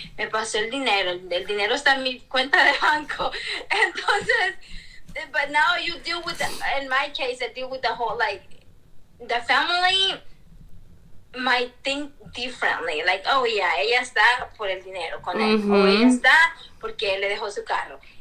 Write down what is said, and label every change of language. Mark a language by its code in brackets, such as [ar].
[es] Me pasó el dinero está en mi cuenta de banco. Entonces. [en] But now you deal with, in my case, I deal with the whole, like, the family might think differently. Like, oh, yeah, [es] ella está por el dinero con él. Mm-hmm. O ella está porque él le dejó su carro.